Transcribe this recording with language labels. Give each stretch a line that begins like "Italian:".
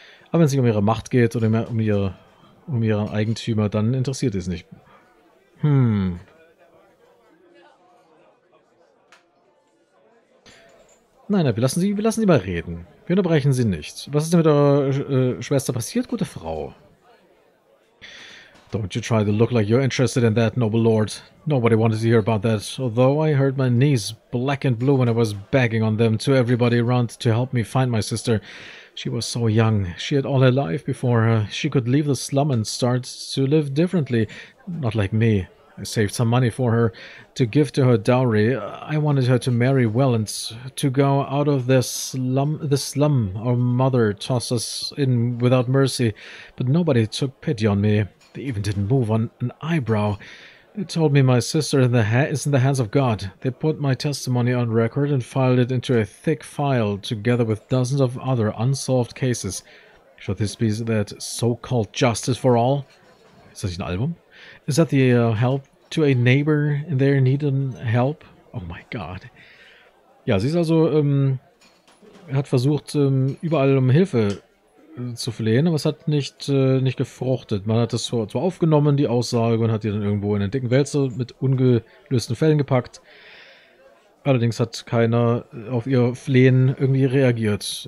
German: Aber wenn es nicht um ihre Macht geht oder um ihre Eigentümer, dann interessiert es nicht. Nein, wir lassen Sie mal reden. Wir unterbrechen Sie nicht. Was ist denn mit Ihrer Schwester passiert, gute Frau?
English: Don't you try to look like you're interested in that, noble lord. Nobody wanted to hear about that, although I heard my knees black and blue when I was begging on them to everybody around to help me find my sister. She was so young. She had all her life before her. She could leave the slum and start to live differently. Not like me. I saved some money for her to give to her dowry. I wanted her to marry well and to go out of the slum our mother tossed us in without mercy. But nobody took pity on me. They even didn't move on an eyebrow. They told me my sister is in the hands of God. They put my testimony on record and filed it into a thick file together with dozens of other unsolved cases. Should this be that so-called justice for all?
German: Ist das nicht ein Album?
English: Is that the help to a neighbor in their need and help? Oh my God.
German: Ja, sie ist also, hat versucht, überall um Hilfe zu flehen, aber es hat nicht gefruchtet. Man hat das zwar aufgenommen, die Aussage, und hat die dann irgendwo in den dicken Wälzer mit ungelösten Fällen gepackt. Allerdings hat keiner auf ihr Flehen irgendwie reagiert.